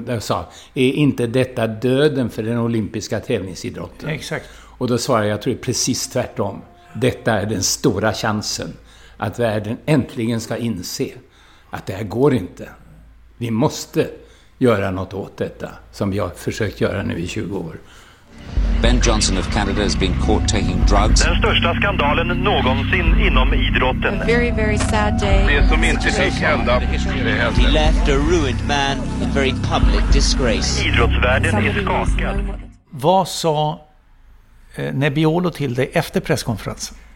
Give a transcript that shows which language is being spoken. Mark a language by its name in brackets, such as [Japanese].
[Swedish] Där sa, är inte detta döden för den olympiska tävlingsidrotten? Exakt. Och då svarade jag, tror jag, precis tvärtom. Detta är den stora chansen att världen äntligen ska inse att det här går inte. Vi måste göra något åt detta, som vi har försökt göra nu i 20 år. [English] Ben Johnson of Canada has been caught taking drugs. [Swedish] Den största skandalen någonsin inom idrotten. [English] A very, very sad day. [Swedish] Det som inte fick hända. [English] He left a ruined man in very public disgrace. [Swedish] Idrottsvärlden är skakad. Vad sa Nebbiolo till dig efter presskonferensen?